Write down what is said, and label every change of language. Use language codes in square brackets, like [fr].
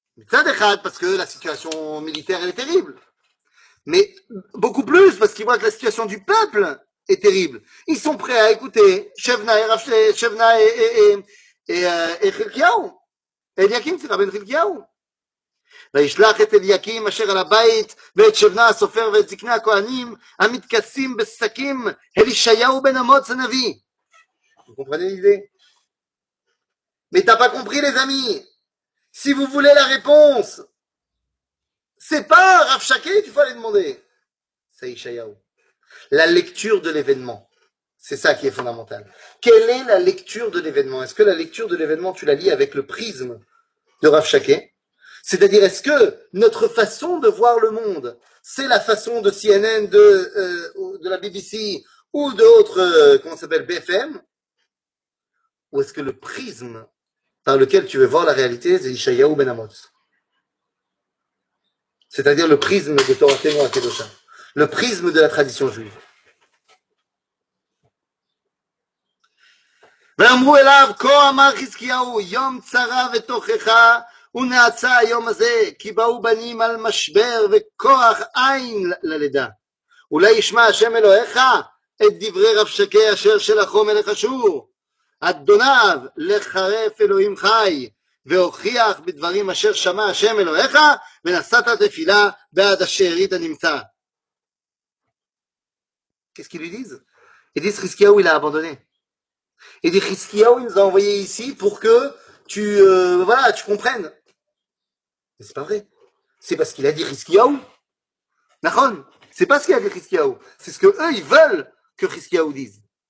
[fr] Parce que la situation militaire, elle est terrible. Mais beaucoup plus, parce qu'ils voient que la situation du peuple est terrible. Ils sont prêts à écouter Shevna et Hilkiyahu. Et Eliakim, c'est Rabbi Hilkiyahu. [he] וישלח את אליקים אשר על הבית ואת שבנה הסופר ואת זקני הכהנים המתכסים בשקים אל ישעיהו בן אמוץ הנביא. [fr] Vous comprenez l'idée? Mais t'as pas compris les amis? Si vous voulez la réponse, c'est pas Rav Shaké qu'il faut aller demander. C'est Ishayahu. La lecture de l'événement, c'est ça qui est fondamental. Quelle est la lecture de l'événement? Est-ce que la lecture de l'événement, tu la lis avec le prisme de Rav Shaké? C'est-à-dire, est-ce que notre façon de voir le monde, c'est la façon de CNN, de la BBC ou d'autres, comment ça s'appelle, BFM? Ou est-ce que le prisme par lequel tu veux voir la réalité, c'est Ishayahu ben Amos? C'est-à-dire le prisme de Torah Témoin à Kedoshah, le prisme de la tradition juive. [he] V'amru elav ko amar Hizkiyahu yom tzara v'tochecha ונעצה היום הזה, כי באו בנים על משבר וכוח עין ללידה. אולי ישמע השם אלוהיך את דברי רב שקה אשר שלחו מלך אשור. אדוניו לחרף אלוהים חי, והוכיח בדברים אשר שמע השם אלוהיך, ונשאת תפילה בעד השארית הנמצא. [fr] Qu'est-ce qu'il lui dit? Il dit Hizkiyahu, il a abandonné. Il dit Hizkiyahu, il nous a envoyé ici pour que tu comprennes. Mais c'est pas vrai. C'est parce qu'il a dit Hizkiyahu. Nahon, c'est pas ce qu'il a dit Hizkiyahu. C'est ce que eux, ils veulent que Hizkiyahu dise.